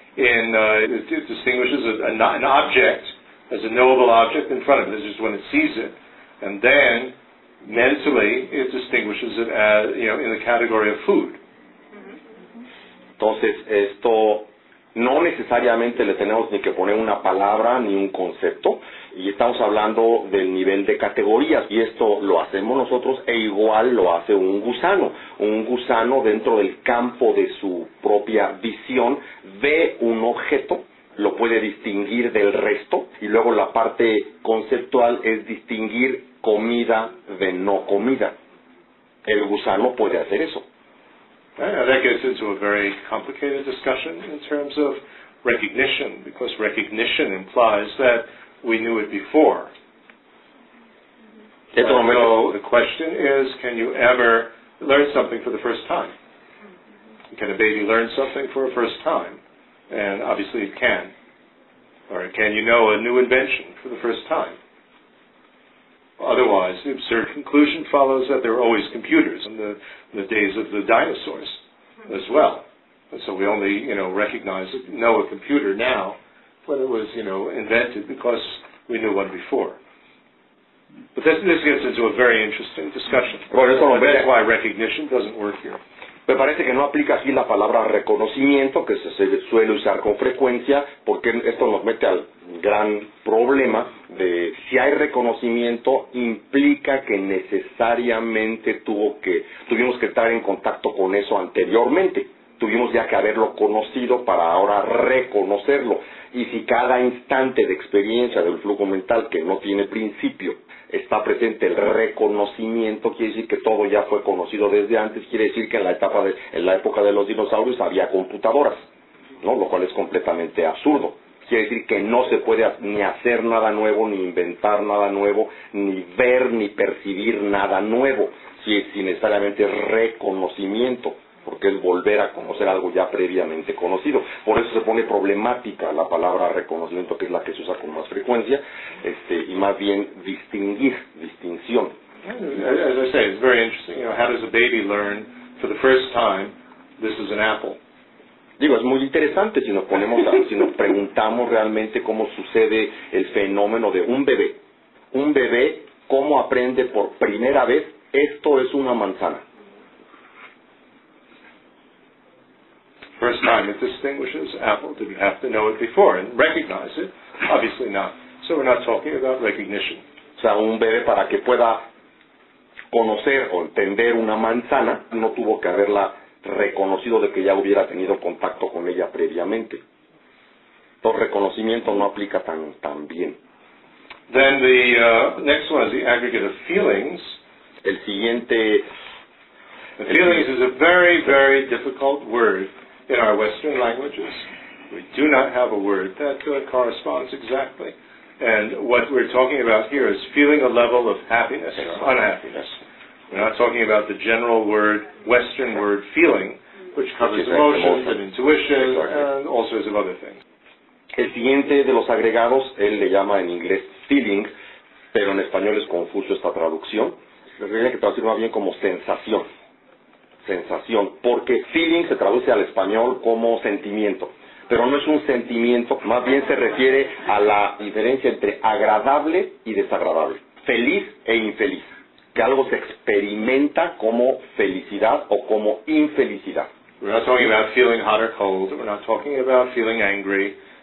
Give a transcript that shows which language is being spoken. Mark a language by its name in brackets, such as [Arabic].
[English] It distinguishes an object as a knowable object in front of it. This is when it sees it, and then mentally it distinguishes it as, you know, in the category of food. [Spanish] Entonces esto no necesariamente le tenemos ni que poner una palabra ni un concepto. Y estamos hablando del nivel de categorías, y esto lo hacemos nosotros e igual lo hace un gusano dentro del campo de su propia visión ve un objeto, lo puede distinguir del resto, y luego la parte conceptual es distinguir comida de no comida. El gusano puede hacer eso. [English] That gets into a very complicated discussion in terms of recognition, because recognition implies that we knew it before. So the question is, can you ever learn something for the first time? Can a baby learn something for a first time? And obviously it can. Or can you know a new invention for the first time? Otherwise, the absurd conclusion follows that there are always computers in the days of the dinosaurs as well. And so we only, you know, recognize, know a computer now when it was, you know, invented, because we knew one before. But this gets into a very interesting discussion. [Spanish] Bueno, [English] that's why recognition doesn't work here. [Spanish] Me parece que no aplica aquí la palabra reconocimiento, que se suele usar con frecuencia, porque esto nos mete al gran problema de si hay reconocimiento, implica que necesariamente tuvimos que estar en contacto con eso anteriormente. Tuvimos ya que haberlo conocido para ahora reconocerlo. Y si cada instante de experiencia del flujo mental que no tiene principio está presente el reconocimiento, quiere decir que todo ya fue conocido desde antes, quiere decir que en la época de los dinosaurios había computadoras, ¿no? Lo cual es completamente absurdo. Quiere decir que no se puede ni hacer nada nuevo, ni inventar nada nuevo, ni ver, ni percibir nada nuevo, si necesariamente es reconocimiento, porque es volver a conocer algo ya previamente conocido. Por eso se pone problemática la palabra reconocimiento, que es la que se usa con más frecuencia, y más bien distinguir, distinción. [English] As I say, it's very interesting. You know, how does a baby learn for the first time, this is an apple? [Spanish] Digo, es muy interesante si nos preguntamos realmente cómo sucede el fenómeno de un bebé. Un bebé, ¿cómo aprende por primera vez esto es una manzana? [English] First time it distinguishes apple, didn't have to know it before and recognize it, obviously not. So we're not talking about recognition. [Spanish] O sea, un bebé para que pueda conocer o entender una manzana, no tuvo que haberla reconocido de que ya hubiera tenido contacto con ella previamente. Todo reconocimiento no aplica tan bien. [English] Then the next one is the aggregate of feelings. Feelings is a very, very difficult word. In our Western languages, we do not have a word that corresponds exactly. And what we're talking about here is feeling a level of happiness or unhappiness. We're not talking about the general word, Western word, feeling, which covers emotions and intuition and all sorts of other things. [Spanish] El siguiente de los agregados, él le llama en inglés feeling, pero en español es confuso esta traducción. Le diría que traducirlo más bien como sensación. Sensación, porque feeling se traduce al español como sentimiento, pero no es un sentimiento, más bien se refiere a la diferencia entre agradable y desagradable, feliz e infeliz, que algo se experimenta como felicidad o como infelicidad. [English] We're not talking about feeling hot or cold, we're not talking about feeling angry,